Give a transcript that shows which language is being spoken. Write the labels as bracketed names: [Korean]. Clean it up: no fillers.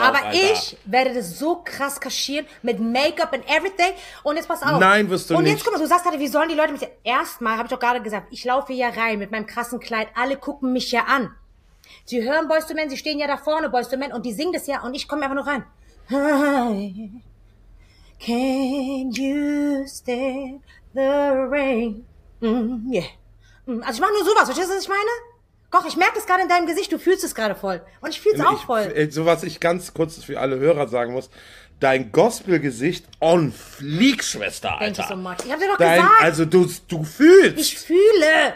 [German] Ja, aber ich werde das so krass kaschieren mit Make-up und everything. Und jetzt pass auf. Nein, wirst du nicht. Und jetzt guck mal, du sagst gerade, wie sollen die Leute mich... Erstmal, habe ich doch gerade gesagt, ich laufe hier rein mit meinem krassen Kleid. Alle gucken mich ja an. Sie hören Boyz II Men, sie stehen ja da vorne, Boyz II Men, und die singen das ja, und ich komme einfach nur rein. [English] Hi, can you stand the rain? Mm, yeah. [German] Also ich mache nur sowas, verstehst du, was ich meine? Koch, ich merke es gerade in deinem Gesicht, du fühlst es gerade voll. Und ich fühl's auch voll. So was ich ganz kurz für alle Hörer sagen muss, dein Gospel-Gesicht on fleek, Schwester, Alter. [English] Thank you so much. [German] Ich hab dir doch gesagt. Also du fühlst. Ich fühle.